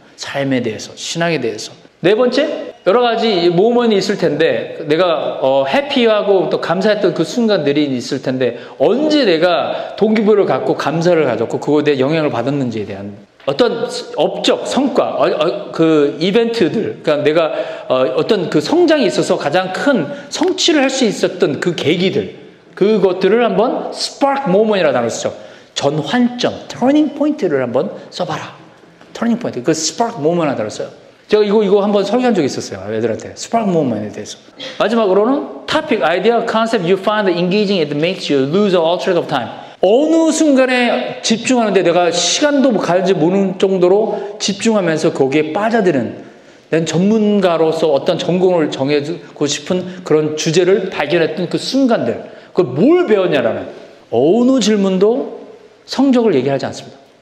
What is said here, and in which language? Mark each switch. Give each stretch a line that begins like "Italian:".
Korean: 삶에 대해서, 신앙에 대해서. 네 번째, 여러 가지 모먼이 있을 텐데 내가 해피하고 또 감사했던 그 순간들이 있을 텐데 언제 내가 동기부여를 갖고 감사를 가졌고 그거에 대해 영향을 받았는지에 대한 어떤 업적, 성과, 그 이벤트들, 그러니까 내가 어떤 그 성장이 있어서 가장 큰 성취를 할 수 있었던 그 계기들, 그것들을 한번 spark moment이라고 단어 쓰죠. 전환점, turning point를 한번 써봐라. turning point, 그 spark moment 하나 들었어요. 제가 이거 한번 설계한 적이 있었어요. 애들한테. spark moment에 대해서. 마지막으로는
English: topic, idea, concept you find engaging it makes you lose all track of time.
Korean: 어느 순간에 집중하는데 내가 시간도 가는지 모르는 정도로 집중하면서 거기에 빠져드는 난 전문가로서 어떤 전공을 정해주고 싶은 그런 주제를 발견했던 그 순간들. 그걸 뭘 배웠냐라는 어느 질문도 성적을 얘기하지 않습니다.